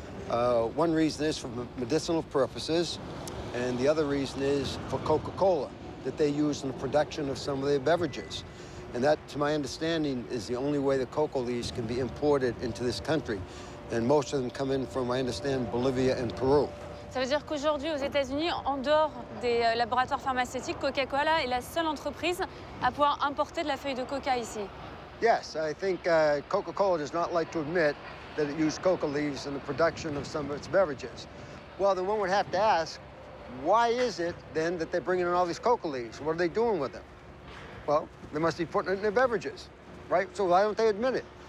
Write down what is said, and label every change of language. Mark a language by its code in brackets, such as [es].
[en] One reason is for medicinal purposes, and the other reason is for Coca-Cola, that they use in the production of some of their beverages. And that, to my understanding, is the only way the coca leaves can be imported into this country. And most of them come in from, I understand, Bolivia and Peru. [fr] Ça veut dire qu'aujourd'hui aux États-Unis, en dehors des laboratoires pharmaceutiques, Coca-Cola est la seule entreprise à pouvoir importer de la feuille de coca ici. [en] Yes, I think Coca-Cola does not like to admit that it used coca leaves in the production of some of its beverages. Well, then one would have to ask, why is it then that they're bringing in all these coca leaves? What are they doing with them? Well, they must be putting it in their beverages, right? So why don't they admit it?